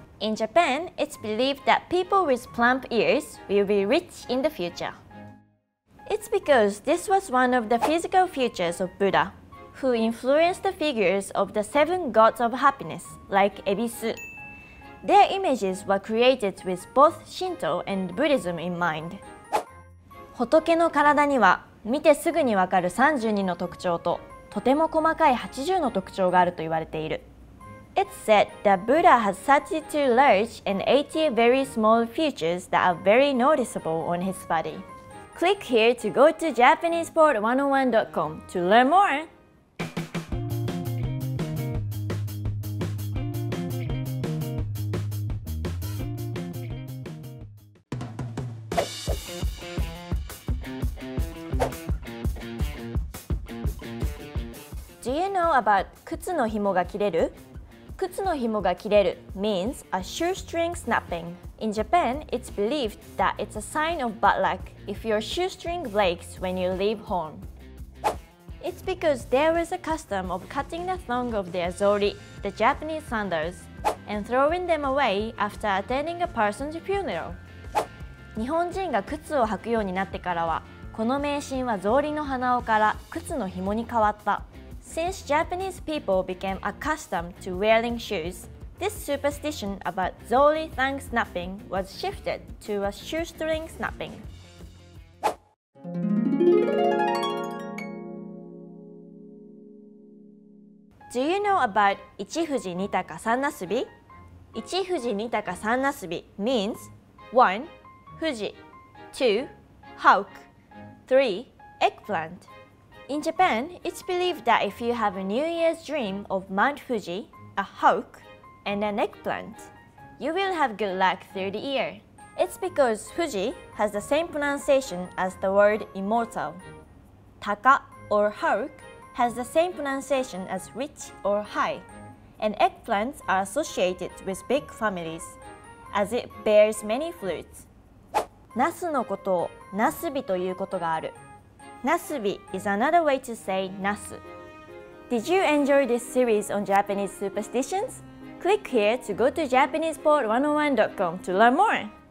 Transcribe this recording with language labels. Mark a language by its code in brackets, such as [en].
[en] In Japan, it's believed that people with plump ears will be rich in the future. It's because this was one of the physical features of Buddha. Who influenced the figures of the seven gods of happiness, like Ebisu. Their images were created with both Shinto and Buddhism in mind. [ja] 仏の体には見てすぐにわかる32の特徴ととても細かい80の特徴があると言われている。 [en] It's said that Buddha has 32 large and 80 very small features that are very noticeable on his body. Click here to go to JapanesePort101.com to learn more! Do you know about [ja] 靴の紐が切れる? [en] 靴の紐が切れる means a shoestring snapping. In Japan, it's believed that it's a sign of bad luck if your shoestring breaks when you leave home. It's because there was a custom of cutting the thong of their zori, the Japanese sandals, and throwing them away after attending a person's funeral. [ja] 日本人が靴を履くようになってからは、この迷信は草履の鼻緒から靴の紐に変わった。 [en] Since Japanese people became accustomed to wearing shoes, this superstition about zori thong snapping was shifted to a shoestring snapping. Do you know about [ja] 一富士二鷹三なすび？ [en] 一富士二鷹三なすび means 1. 富士 2. Hawk 3. Eggplant In Japan, it's believed that if you have a New Year's dream of Mount Fuji, a hawk, and an eggplant, you will have good luck through the year. It's because Fuji has the same pronunciation as the word immortal. Taka or hawk has the same pronunciation as rich or high, and eggplants are associated with big families, as it bears many fruits. [ja] ナスのことをナスビということがある。 [en] ナスビ is another way to say ナス. Did you enjoy this series on Japanese superstitions? Click here to go to JapanesePod101.com to learn more!